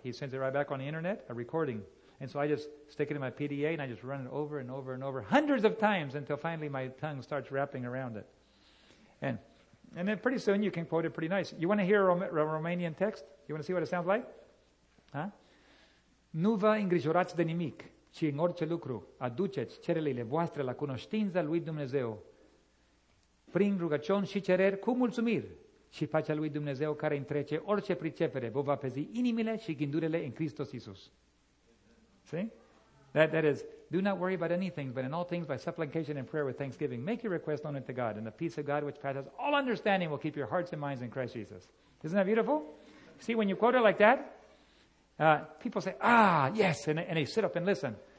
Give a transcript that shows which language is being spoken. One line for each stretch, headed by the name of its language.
English: He sends it right back on the internet, a recording. And so I just stick it in my PDA, and I just run it over and over and over hundreds of times until finally my tongue starts wrapping around it. And then pretty soon you can quote it pretty nice. You want to hear a Romanian text? You want to see what it sounds like? Huh?
Romanian: Nu vă îngrijorați de nimic, ci în orice lucru aduceți cererile voastre la cunoștința lui Dumnezeu prin rugăciuni și cereri cu mulțumiri și pacea lui Dumnezeu care întrece orice pricepere vă va păzi inimile și gândurile în Hristos Iisus.
English: See? That is, do not worry about anything, but in all things by supplication and prayer with thanksgiving, make your request known unto God, and the peace of God which passes all understanding will keep your hearts and minds in Christ Jesus. Isn't that beautiful? See, when you quote it like that, people say, ah, yes, and they sit up and listen.